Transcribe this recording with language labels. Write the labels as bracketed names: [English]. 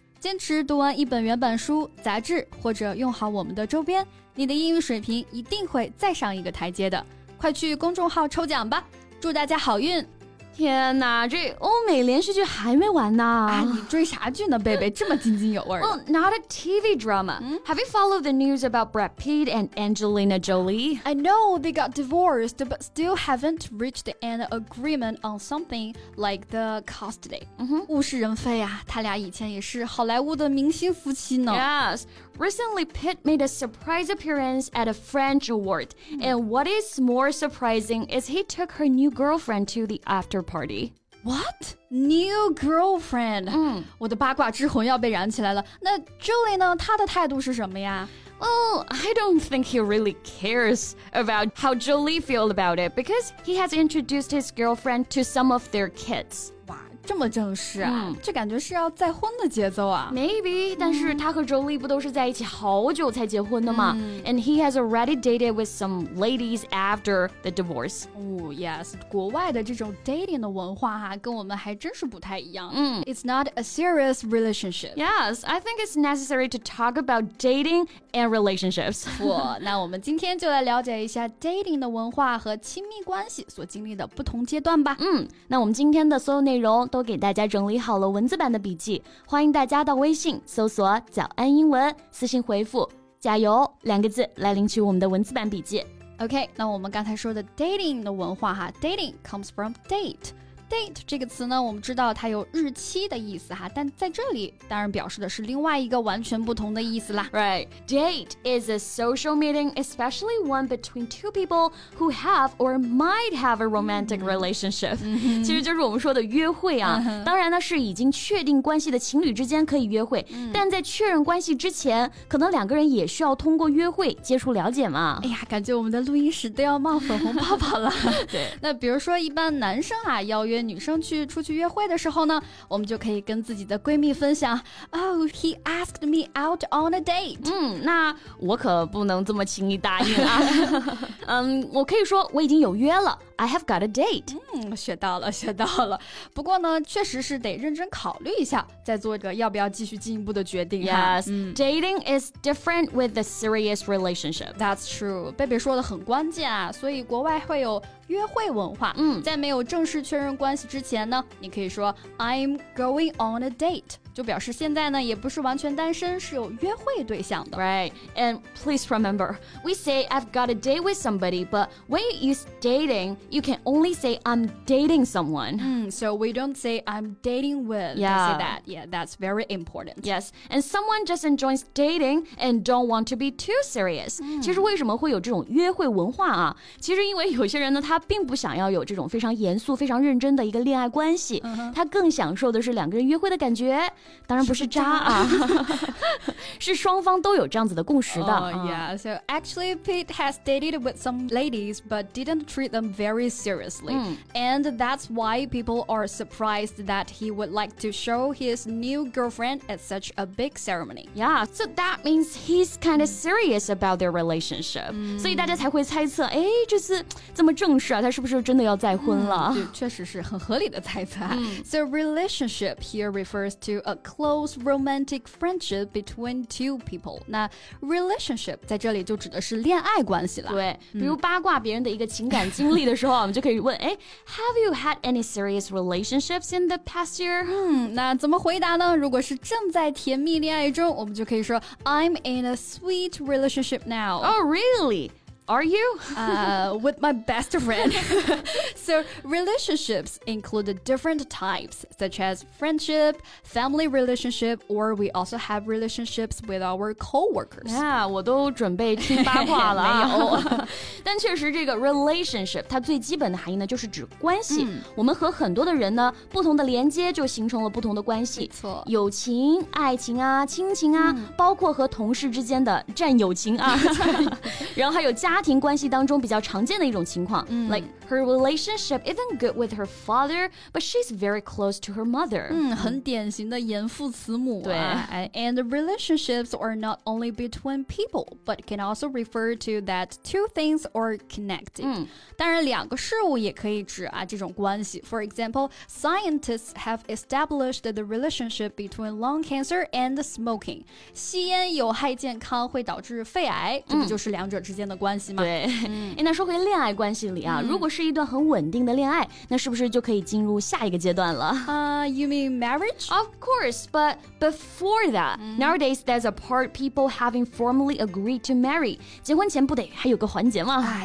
[Chinese] 坚持读完一本原版书、杂志，或者用好我们的周边，你的英语水平一定会再上一个台阶的。快去公众号抽奖吧，祝大家好运。天哪，这欧美连续剧还没完呢。啊，你追啥剧呢，贝贝，这么津津有味的。 [English] Well, not a TV drama. Have you followed the news about Brad Pitt and Angelina Jolie? I know they got divorced, but still haven't reached an agreement on something like the custody. [Chinese] 物是人非啊，他俩以前也是好莱坞的明星夫妻呢。 [English] Yes, recently Pitt made a surprise appearance at a French award. And what is more surprising is he took her new girlfriend to the afterparty. What? New girlfriend? [Chinese] 我的八卦之魂要被燃起来了。那 Julie 呢？她的态度是什么呀？ [English] Well, I don't think he really cares about how Julie feels about it because he has introduced his girlfriend to some of their kids. [Chinese] 哇，这么正式啊？这感觉是要再婚的节奏啊。 Maybe, 但是他和 Julie 不都是在一起好久才结婚的吗？ [English] And he has already dated with some ladies after the divorce. Oh, yes. [Chinese] 国外的这种 dating 的文化啊，跟我们还真是不太一样。 [English] It's not a serious relationship. Yes, I think it's necessary to talk about dating and relationships. [Chinese] 那我们今天就来了解一下 dating 的文化和亲密关系所经历的不同阶段吧。那我们今天的所有内容都给大家整理好了文字版的笔记，欢迎大家到微信搜索早安英文，私信回复加油两个字来领取我们的文字版笔记。 OK, 那我们刚才说的 dating 的文化哈， [English] dating comes from date。 [Chinese] date 这个词呢，我们知道它有日期的意思哈，但在这里当然表示的是另外一个完全不同的意思啦。 [English] Right, date is a social meeting, especially one between two people who have or might have a romantic relationship. [Chinese] 其实就是我们说的约会啊。当然呢，是已经确定关系的情侣之间可以约会，但在确认关系之前，可能两个人也需要通过约会接触了解嘛。哎呀，感觉我们的录音室都要冒粉红泡泡了。对，那比如说一般男生啊邀约女生去出去约会的时候呢，我们就可以跟自己的闺蜜分享 [English] Oh, he asked me out on a date. [Chinese] 那我可不能这么轻易答应啊。我可以说我已经有约了， [English] I have got a date. [Chinese] 学到了学到了。不过呢，确实是得认真考虑一下再做一个要不要继续进一步的决定。 [English] Yes, dating is different with a serious relationship. That's true. [Chinese] 贝贝说的很关键啊，所以国外会有约会文化。在没有正式确认关系之前呢，你可以说 [English] I'm going on a date， [Chinese] 就表示现在呢也不是完全单身，是有约会对象的。 [English] Right, and please remember, we say I've got a date with somebody, but when you use dating, you can only say I'm dating someone. So we don't say I'm dating with. Yeah, say that. Yeah, that's very important. Yes, and someone just enjoys dating and don't want to be too serious. [Chinese] 其实为什么会有这种约会文化啊，其实因为有些人呢他并不想要有这种非常严肃非常认真的一个恋爱关系，他更享受的是两个人约会的感觉，当然不是渣啊，是双方都有这样子的共识的。 [English] Yeah, so actually Pete has dated with some ladies but didn't treat them very seriously. And that's why people are surprised that he would like to show his new girlfriend at such a big ceremony. Yeah, so that means he's kind of serious about their relationship. [Chinese] 所以大家才会猜测，哎，这次这么正式啊，他是不是真的要再婚了？确实是很合理的猜测。 [English] So relationship here refers to a close romantic friendship between two people. [Chinese] 那 relationship 在这里就指的是恋爱关系了。对，比如八卦别人的一个情感经历的时候，我们就可以问，哎， [English] Have you had any serious relationships in the past year? [Chinese] 那怎么回答呢？如果是正在甜蜜恋爱中，我们就可以说 [English] I'm in a sweet relationship now. Oh, really? Are you? with my best friend. So relationships include different types, such as friendship, family relationship, or we also have relationships with our co-workers. [Chinese] Yeah, 我都准备听八卦了。没有。但确实这个 relationship, 它最基本的含义呢就是指关系。 Mm. 我们和很多的人呢不同的连接就形成了不同的关系。没错。友情、爱情啊、亲情啊、mm. 包括和同事之间的战友情啊。然后还有家庭关系当中比较常见的一种情况、嗯、 [English] Like her relationship isn't good with her father But she's very close to her mother、 [Chinese] 嗯、很典型的严父慈母、啊、对 [English] And relationships are not only between people But can also refer to that two things are connected、嗯、 [Chinese] 当然两个事物也可以指、啊、这种关系 [English] For example, scientists have established the relationship between lung cancer and smoking [Chinese] 吸烟有害健康会导致肺癌、嗯、这不就是两者之间的关系对、嗯、那说回恋爱关系里啊、嗯、如果是一段很稳定的恋爱那是不是就可以进入下一个阶段了、 [English] you mean marriage? Of course, but before that、嗯、Nowadays, there's a part people having formally agreed to marry [Chinese] 结婚前不得还有个环节吗、